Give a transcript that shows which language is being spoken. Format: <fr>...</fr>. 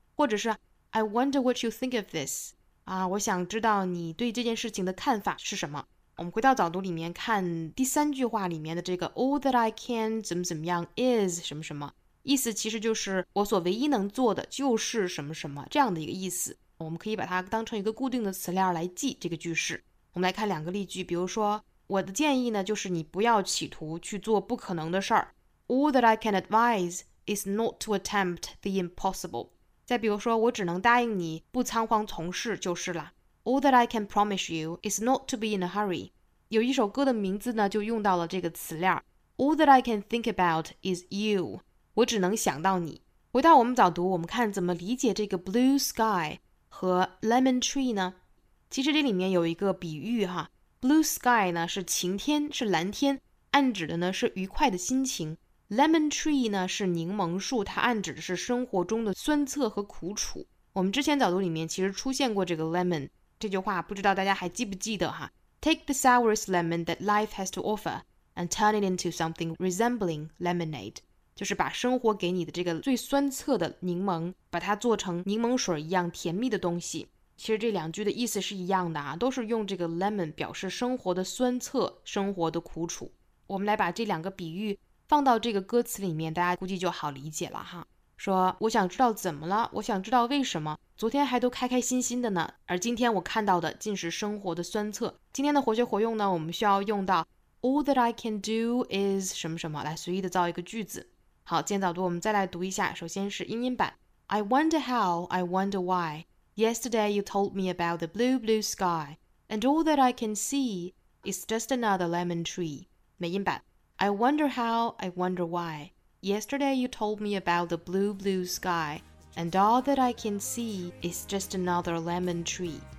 <zh>或者是</zh> <en>I wonder what you think of this，</en> <zh>我想知道你对这件事情的看法是什么。我们回到早读里面看第三句话里面的这个 All that I can 怎么怎么样 is 什么什么，意思其实就是我所唯一能做的就是什么什么这样的一个意思。我们可以把它当成一个固定的词链来记这个句式。我们来看两个例句，比如说我的建议呢，就是你不要企图去做不可能的事儿。</zh> <en>All that I can advise is not to attempt the impossible。</en> <zh>再比如说我只能答应你不仓皇从事就是了。</zh> <en>All that I can promise you is not to be in a hurry。</en> <zh>有一首歌的名字呢就用到了这个词链。</zh> <en>All that I can think about is you，</en> <zh>我只能想到你。回到我们早读，我们看怎么理解这个 blue sky 和 lemon tree 呢？其实这里面有一个比喻哈， blue sky 呢是晴天，是蓝天，暗指的呢是愉快的心情。 Lemon tree 呢是柠檬树，它暗指的是生活中的酸涩和苦楚。我们之前早读里面其实出现过这个 lemon 这句话，不知道大家还记不记得哈。</zh> <en>Take the sourest lemon that life has to offer and turn it into something resembling lemonade.</en> <zh>就是把生活给你的这个最酸涩的柠檬，把它做成柠檬水一样甜蜜的东西。其实这两句的意思是一样的啊，都是用这个 lemon 表示生活的酸涩，生活的苦楚。我们来把这两个比喻放到这个歌词里面，大家估计就好理解了哈。说我想知道怎么了，我想知道为什么昨天还都开开心心的呢，而今天我看到的竟是生活的酸涩。今天的活学活用呢，我们需要用到</zh> <en>All that I can do is</en> <zh>什么什么，来随意的造一个句子。好，今天早读我们再来读一下，首先是英音版。</zh> <en>I wonder how, I wonder why. Yesterday you told me about the blue blue sky. And all that I can see is just another lemon tree.</en> <zh>美音版。</zh> <en>I wonder how, I wonder whyYesterday you told me about the blue blue sky, and all that I can see is just another lemon tree.</en>